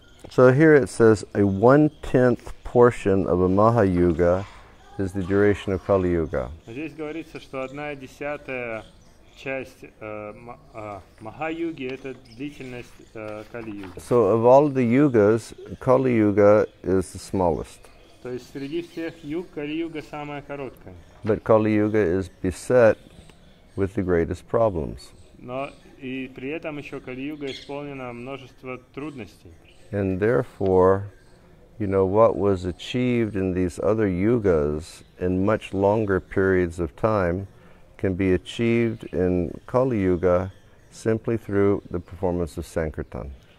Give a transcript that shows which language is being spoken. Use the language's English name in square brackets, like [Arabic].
[English] So here it says, a one-tenth portion of a Maha-yuga is the duration of Kali-yuga. [Russian] Здесь говорится, что одна десятая часть Маха-юги – это длительность Кали-юги. [English] So of all the yugas, Kali-yuga is the smallest. [Russian] То есть среди всех юг Кали-юга самая короткая. [English] But Kali-yuga is beset with the greatest problems. [Russian] Но и при этом еще Кали-юга исполнена множество трудностей. [English] And therefore, you know, what was achieved in these other yugas in much longer periods of time can be achieved in Kali-yuga simply through the performance of Sankirtan.